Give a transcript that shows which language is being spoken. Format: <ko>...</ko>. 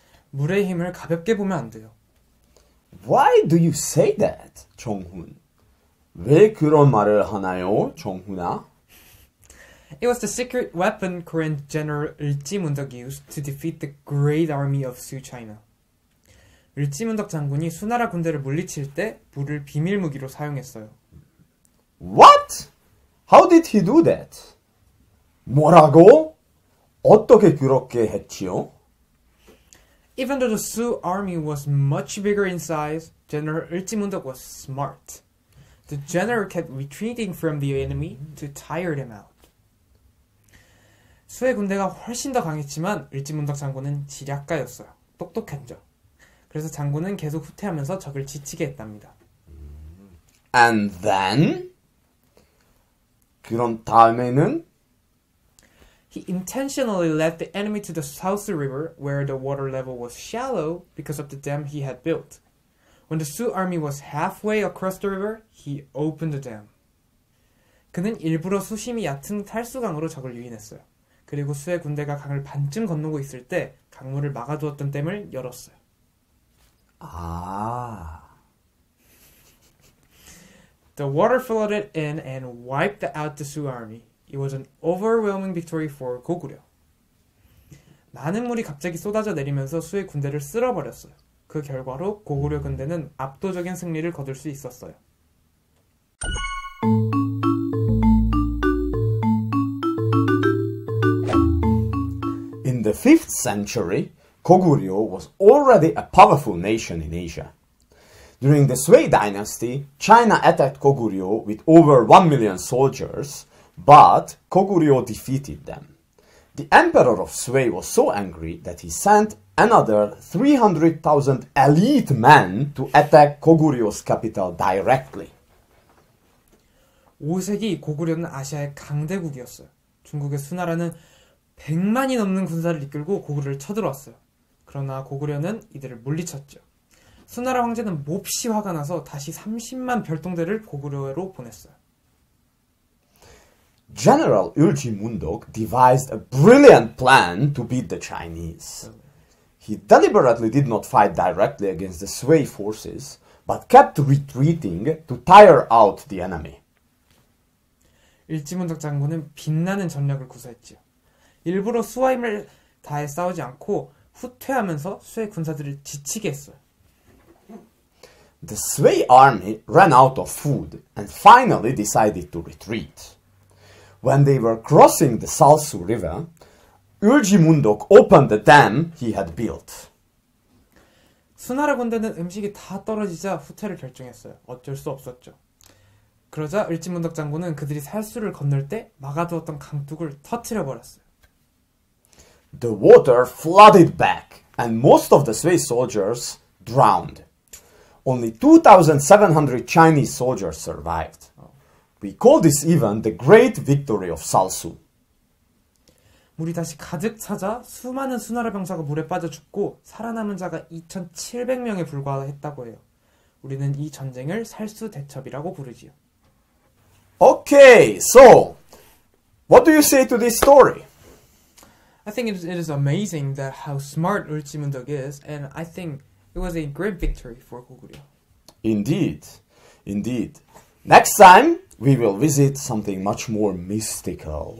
<ko>물의 힘을 가볍게 보면 안 돼요.</ko> <en>Why do you say that, 정훈?</en> <ko>왜 그런 말을 하나요, 정훈아?</ko> <en>It was the secret weapon Korean General Eul-ji-mundok used to defeat the Great Army of Su China.</en> <ko>을지문덕 장군이 수나라 군대를 물리칠 때 물을 비밀 무기로 사용했어요.</ko> <en>What? How did he do that?</en> <ko>뭐라고? 어떻게 그렇게 했지요?</ko> <en>Even though the Su army was much bigger in size, General Eul-ji-mundok was smart. The general kept retreating from the enemy to tire them out.</en> <ko>수의 군대가 훨씬 더 강했지만 을지문덕 장군은 지략가였어요. 똑똑했죠. 그래서 장군은 계속 후퇴하면서 적을 지치게 했답니다.</ko> <en>And then?</en> <ko>그런 다음에는?</ko> <en>He intentionally led the enemy to the Sarsu River, where the water level was shallow because of the dam he had built. When the Su army was halfway across the river, he opened the dam.</en> <ko>그는 일부러 수심이 얕은 탈수강으로 적을 유인했어요. 그리고 수의 군대가 강을 반쯤 건너고 있을 때 강물을 막아두었던 댐을 열었어요. 아...</ko> <en>The water flooded in and wiped out the Su army. It was an overwhelming victory for 고구려.</en> <ko>많은 물이 갑자기 쏟아져 내리면서 수의 군대를 쓸어버렸어요. 그 결과로 고구려 군대는 압도적인 승리를 거둘 수 있었어요.</ko> <en>In the 5th century, Goguryeo was already a powerful nation in Asia. During the Sui dynasty, China attacked Goguryeo with over 1 million soldiers, but Goguryeo defeated them. The emperor of Sui was so angry that he sent another 300,000 elite men to attack Goguryeo's capital directly.</en> <ko>5세기 고구려는 아시아의 강대국이었어요. 중국의 수나라는 100만이 넘는 군사를 이끌고 고구려를 쳐들어왔어요. 그러나 고구려는 이들을 물리쳤죠. 수나라 황제는 몹시 화가 나서 다시 30만 별동대를 고구려로 보냈어요.</ko> <en>General Eul-ji-mundok devised a brilliant plan to beat the Chinese. He deliberately did not fight directly against the Sui forces, but kept retreating to tire out the enemy.</en> <ko>을지문덕 장군은 빛나는 전략을 구사했지요. 일부러 수와 힘을 다해 싸우지 않고 후퇴하면서 수의 군사들을 지치게 했어요.</ko> <en>The Sui army ran out of food and finally decided to retreat. When they were crossing the Sarsu River, Eul-ji-mundok opened the dam he had built.</en> <ko>수나라 군대는 음식이 다 떨어지자 후퇴를 결정했어요. 어쩔 수 없었죠. 그러자 을지문덕 장군은 그들이 살수를 건널 때 막아두었던 강둑을 터뜨려버렸어요.</ko> <en>The water flooded back, and most of the Sui soldiers drowned. Only 2,700 Chinese soldiers survived. We call this event the Great Victory of Salsu.</en> <ko>물이 다시 가득 차자 수많은 수나라 병사가 물에 빠져 죽고 살아남은 자가 2,700명에 불과했다고 해요. 우리는 이 전쟁을 살수 대첩이라고 부르지요.</ko> <en>Okay, so what do you say to this story? I think it is amazing that how smart 을지문덕 is, and I think it was a great victory for 고구려. Indeed, indeed. Next time we will visit something much more mystical.</en>